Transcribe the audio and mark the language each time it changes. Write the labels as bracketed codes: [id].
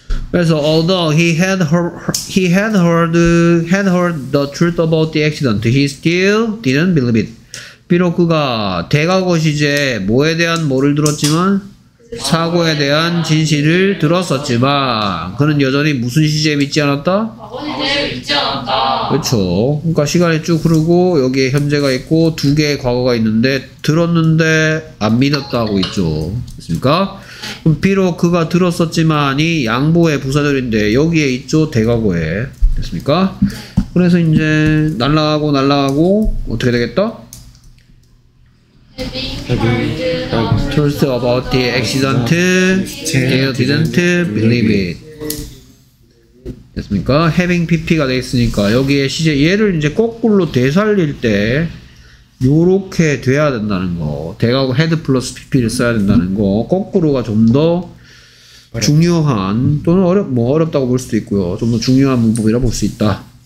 [ko] 그래서 [en] although he had heard the truth about the accident, he still didn't believe it. [ko] 비록 그가 대과거 시제 뭐에 대한 뭐를 들었지만 사고에 대한 진실을 들었었지만 그는 여전히 무슨 시제에 믿지 않았다? 과거 시제에 믿지 않았다. 그렇죠. 그러니까 시간이 쭉 흐르고 여기에 현재가 있고 두 개의 과거가 있는데 들었는데 안 믿었다 하고 있죠. 그렇습니까? 그럼 비록 그가 들었었지만이 양보의 부사절인데 여기에 있죠 대과거에 됐습니까? 그래서 이제 날라가고 날라가고 어떻게 되겠다? [en] Having truth about the accident, they didn't believe it. [ko] 됐습니까? Having PP가 돼 있으니까 여기에 시제 얘를 이제 거꾸로 되살릴 때 요렇게 돼야 된다는 거 대각 head plus pp를 써야 된다는 거 거꾸로가 좀 더 중요한 또는 어렵다고 볼 수도 있고요 좀 더 중요한 문법이라 볼 수 있다.